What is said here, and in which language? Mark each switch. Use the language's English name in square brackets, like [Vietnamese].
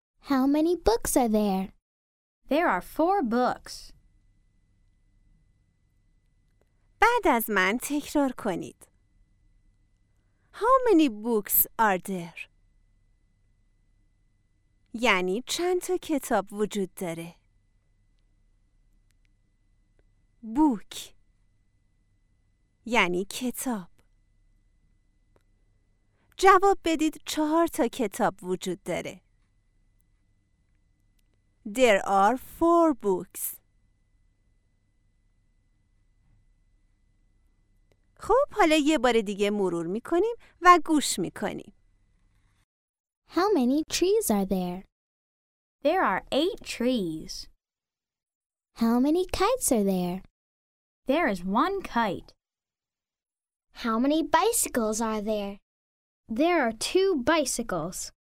[English] How many books are there? There are 4 books. [Persian] بعد از من تکرار کنید. [English] How many books are there? [Persian] یعنی چند تا کتاب وجود داره؟ Book یعنی کتاب. جواب بدید 4 تا کتاب وجود داره. [English] There are 4 books. [Persian] خب حالا یه بار دیگه مرور می‌کنیم و گوش می‌کنیم. [English] How many trees are there? There are 8 trees. How many kites are there? There is 1 kite. How many bicycles are there? There are 2 bicycles.